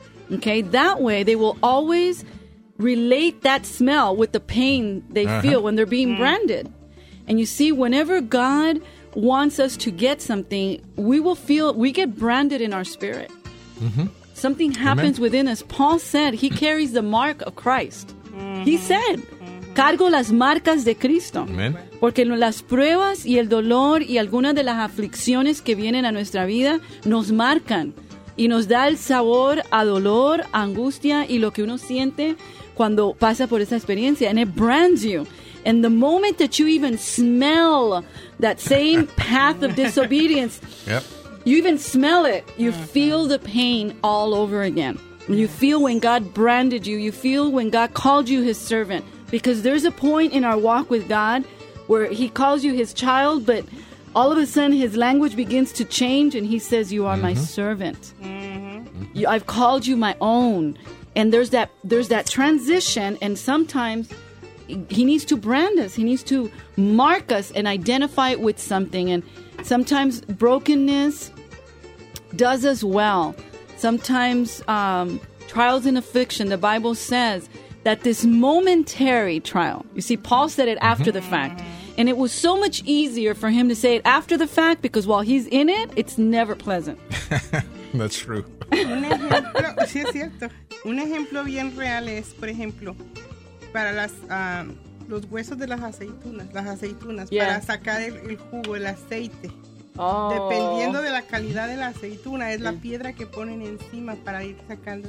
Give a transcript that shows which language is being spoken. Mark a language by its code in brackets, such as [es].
[en] Okay, that way they will always relate that smell with the pain they feel when they're being branded. And you see, whenever God wants us to get something, we get branded in our spirit. Mm-hmm. Something happens Amen. Within us. Paul said he carries the mark of Christ. Mm-hmm. He said, [es] cargo las marcas de Cristo. Amen. Porque las pruebas y el dolor y algunas de las aflicciones que vienen a nuestra vida nos marcan y nos da el sabor a dolor, a angustia y lo que uno siente cuando pasa por esa experiencia. [en] And it brands you. And the moment that you even smell that same path of disobedience, yep. you even smell it, you feel the pain all over again. You feel when God branded you. You feel when God called you his servant. Because there's a point in our walk with God where he calls you his child, but all of a sudden his language begins to change and he says, you are my servant. Mm-hmm. I've called you my own. And there's that transition, and sometimes he needs to brand us. He needs to mark us and identify it with something. And sometimes brokenness does us well. Sometimes trials and affliction, the Bible says that this momentary trial, you see, Paul said it after the fact. And it was so much easier for him to say it after the fact because while he's in it, it's never pleasant. That's true. [es] Sí, es cierto. Un ejemplo bien real es, por ejemplo, para los huesos de las aceitunas, yeah. para sacar el jugo, el aceite. Oh. Dependiendo de la calidad de la aceituna, es la piedra que ponen encima para ir sacando